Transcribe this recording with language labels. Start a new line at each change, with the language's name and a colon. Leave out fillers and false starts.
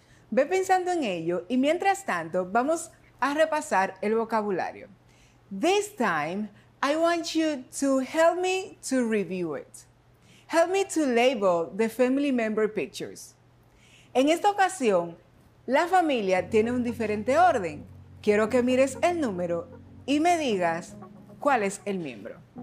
Spanish: Ve pensando en ello y mientras tanto vamos a repasar el vocabulario.
English: This time, I want you to help me to review it. Help me to label the family member pictures.
Spanish: En esta ocasión, la familia tiene un diferente orden. Quiero que mires el número y me digas cuál es el miembro.